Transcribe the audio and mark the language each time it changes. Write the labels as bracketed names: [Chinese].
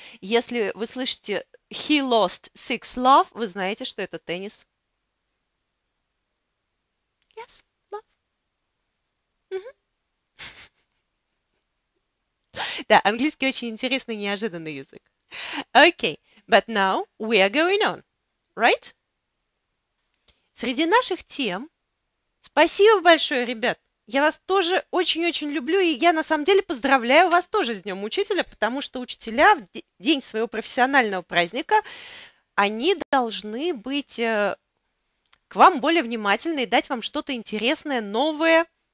[Russian] Если вы слышите [English] he lost 6-love, [Russian] вы знаете, что это теннис. [English] Yes, love. [Russian] Да, английский очень интересный, неожиданный язык. [English] Okay, but now we are going on, right? [Russian] Среди наших тем... Спасибо большое, ребят! Я вас тоже очень-очень люблю, и я на самом деле поздравляю вас тоже с Днем Учителя, потому что учителя в день своего профессионального праздника, они должны быть к вам более внимательны и дать вам что-то интересное, новое.